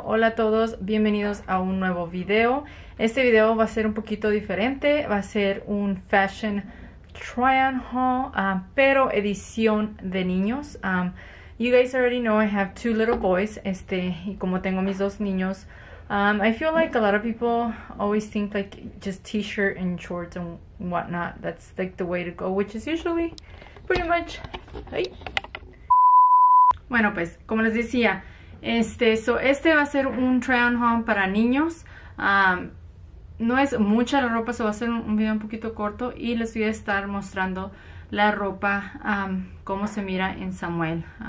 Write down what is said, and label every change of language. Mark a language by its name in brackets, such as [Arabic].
[Spanish] Hola a todos, bienvenidos a un nuevo video. Este video va a ser un poquito diferente, va a ser un fashion try on haul, pero edición de niños. [English] You guys already know I have two little boys, [Spanish] y como tengo mis dos niños, [English] I feel like a lot of people always think like just t-shirt and shorts and whatnot. That's like the way to go, which is usually pretty much. Hey. [Spanish] Bueno, pues, como les decía, este va a ser un try-on haul para niños. No es mucha la ropa, se va a hacer un video un poquito corto y les voy a estar mostrando la ropa, cómo se mira en Samuel.